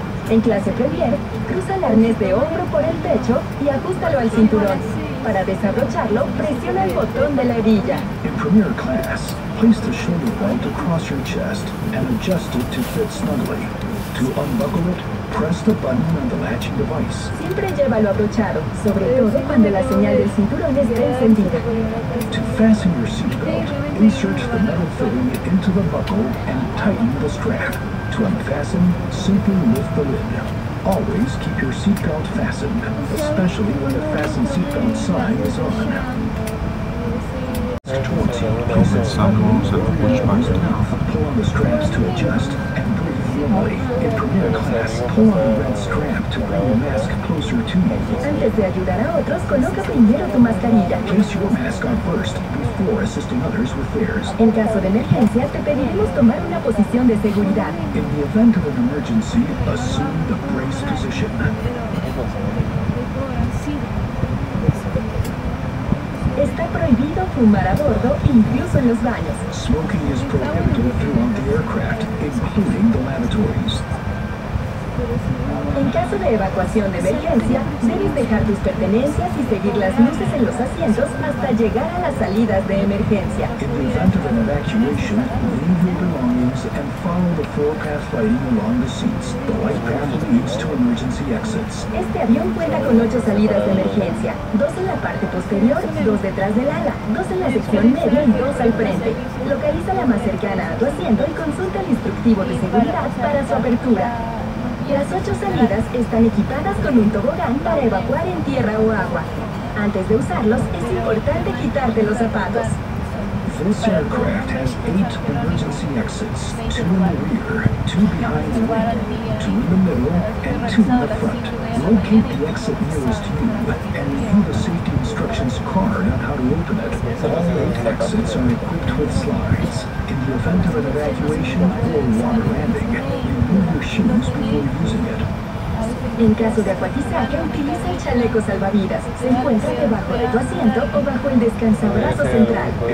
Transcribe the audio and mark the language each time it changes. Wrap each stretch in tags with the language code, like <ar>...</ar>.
<es>En clase Premier, cruza el arnés de hombro por el pecho y ajustalo al cinturón. Para desabrocharlo, presiona el botón de la hebilla.</es> <en>En Premier Class, place the shoulder belt across your chest and adjust it to fit snugly. To unbuckle it, press the button on the latching device.</en> <es>Siempre llévalo abrochado, sobre todo cuando la señal del cinturón esté encendida.</es> <en>To fasten your seatbelt, insert the metal fitting into the buckle and tighten the strap. To unfasten, simply lift the lid. Always keep your seatbelt fastened, especially when the fastened seatbelt sign is on. Place the sandals at the pushback staff. Pull on the straps to adjust and breathe normally. In Premier Class, pull on the red strap to bring the mask closer to you.</en> <es>Antes de ayudar a otros, coloca primero tu mascarilla.</es> <en>Place your mask on first before assisting others with theirs.</en> <es>En caso de emergencia, te pediremos tomar una posición de seguridad.</es> <en>In the event of an emergency, assume the brace position.</en> <es>Está prohibido fumar a bordo, incluso en los baños.</es> <en>Smoking is prohibited throughout the aircraft, including the lavatories.</en> <es>En caso de evacuación de emergencia, debes dejar tus pertenencias y seguir las luces en los asientos hasta llegar a las salidas de emergencia.</es> <en>In the event of an evacuation, leave your belongings and follow the forecast lighting along the seats. The light path leads to emergency exits.</en> <es>Este avión cuenta con 8 salidas de emergencia, 2 en la parte posterior, 2 detrás del ala, 2 en la sección media y 2 al frente. Localiza la más cercana a tu asiento y consulta el instructivo de seguridad para su apertura. Las 8 salidas están equipadas con un tobogán para evacuar en tierra o agua. Antes de usarlos, es importante quitarte los zapatos.</es> <en>This aircraft has 8 emergency exits, 2 in the rear, 2 behind the wing, 2 in the middle, and 2 in the front. Locate the exit nearest you and view the safety instructions card on how to open it. All 8 exits are equipped with slides. In the event of an evacuation or water landing, remove your shoes before using it.</en> <es>En caso de acuatizaje, utiliza el chaleco salvavidas. Se encuentra debajo de tu asiento o bajo el descansabrazo central.</es>